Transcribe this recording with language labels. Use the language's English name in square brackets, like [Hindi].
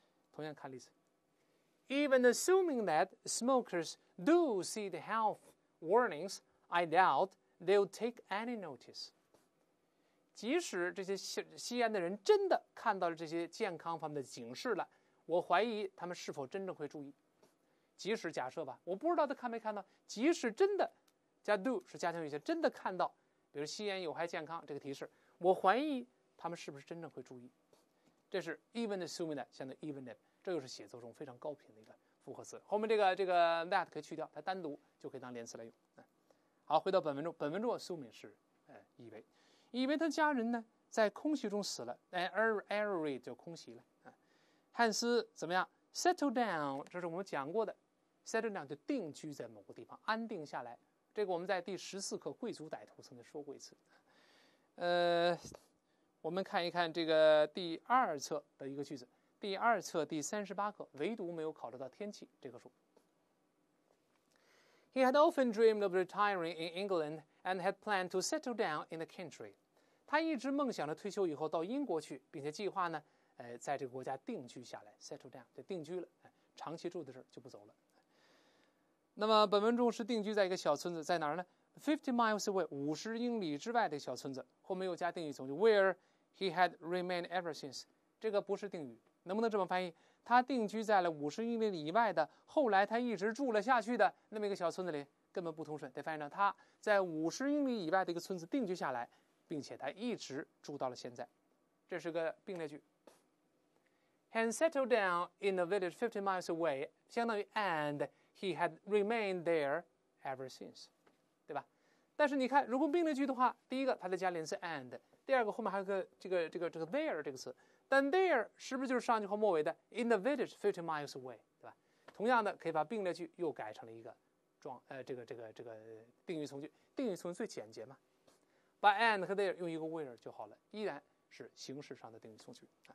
[Chinese] 同样看例子， [English] even assuming that smokers do see the health warnings， I doubt they'll take any notice。 [Chinese] 即使这些吸烟的人真的看到了这些健康方面的警示了，我怀疑他们是否真正会注意。即使假设吧，我不知道他看没看到，即使真的加 do 是加强语气，真的看到比如吸烟有害健康这个提示，我怀疑他们是不是真正会注意。这是 even assuming that 相当于 even if， 这又是写作中非常高频的一个复合词，后面这个 that 可以去掉，它单独就可以当连词来用。好，回到本文中，本文中 assuming 是以为他家人呢在空袭中死了， Airy 就空袭了。汉斯怎么样 settle down， 这是我们讲过的 settle down， 就定居在某个地方，安定下来，这个我们在第14课贵族歹徒曾经说过一次。我们看一看这个第二册的一个句子，第二册第38课，唯独没有考虑到天气这个书。 [English] He had often dreamed of retiring in England and had planned to settle down in the country. [Chinese] 他一直梦想着退休以后到英国去，并且计划呢，在这个国家定居下来 ，settle down， 就定居了，长期住的事儿就不走了。那么本文中是定居在一个小村子，在哪儿呢 ？50 miles away， 50英里之外的小村子。后面又加定语从句 [English] ，where he had remained ever since。 [Chinese] 这个不是定语，能不能这么翻译？他定居在了50英里以外的，后来他一直住了下去的那么一个小村子里，根本不通顺，得翻译成他在50英里以外的一个村子定居下来，并且他一直住到了现在，这是个并列句。 [English] And settled down in a village 50 miles away， [Chinese] 相当于 [English] and he had remained there ever since， 对吧？ [Chinese] 但是你看，如果并列句的话，第一个他在加连词 and， 第二个后面还有个这个 there 这个词。但 there 是不是就是上句和末尾的 in the village 50 miles away， 对吧？同样的，可以把并列句又改成了一个状，这个定语从句，定语从最简洁嘛，把 and 和 there 用一个 where 就好了，依然是形式上的定语从句。